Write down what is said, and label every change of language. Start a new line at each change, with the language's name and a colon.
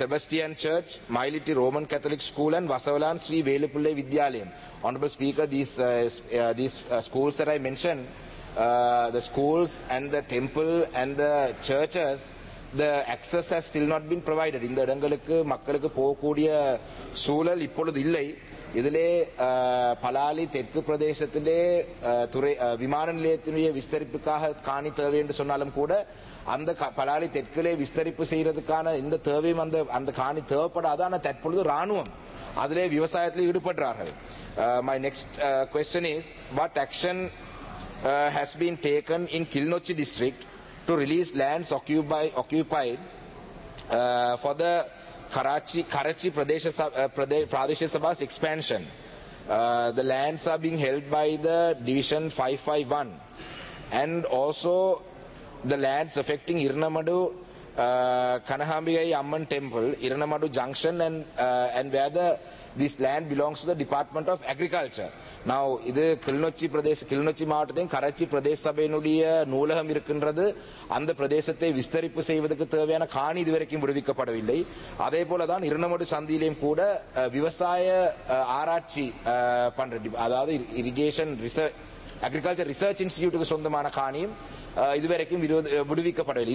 English: Sebastian Church, Mailitti Roman Catholic School and Vasavalan Sri Velupulle Vidyalayam. Honorable Speaker, these schools that I mentioned, the schools and the temple and the churches, the access has still not been provided.
Tamil: இந்த இடங்களுக்கு மக்களுக்கு போகக்கூடிய சூழல் இப்பொழுது இல்லை. இதிலே பலாலி தெற்கு பிரதேசத்திலே விமான நிலையத்தினுடைய விஸ்தரிப்புக்காக காணி தேவை என்று சொன்னாலும் கூட, அந்த பலாலி தெற்குலே விஸ்தரிப்பு செய்யறதுக்கான இந்த தேவையும் அந்த காணி தேவைப்படாது. ஆனால் தற்பொழுது ராணுவம் அதிலே விவசாயத்தில் ஈடுபடுறார்கள்.
English: My next question is, what action has been taken in Kilinochchi district to release lands occupied for the Karachi Pradesh Sabha's expansion? The lands are being held by the Division 551, and also the lands affecting Irnamadu Kanahambigai Amman Temple, Irnamadu Junction, and where this land belongs to the Department of Agriculture.
Tamil: Now இது கிள்நொச்சி மாவட்டத்தையும் கரச்சி பிரதேச சபையினுடைய நூலகம் இருக்கின்றது. அந்த பிரதேசத்தை விஸ்தரிப்பு செய்வதற்கு தேவையான காணி இதுவரைக்கும் விடுவிக்கப்படவில்லை. அதே போலதான் இருநமடு சந்தியிலையும் கூட விவசாய ஆராய்ச்சி பண்ற, அதாவது இரிகேஷன் அக்ரிகல்ச்சர் ரிசர்ச் இன்ஸ்டிடியூட்டுக்கு சொந்தமான காணியும் இதுவரைக்கும் விடுவிக்கப்படவில்லை.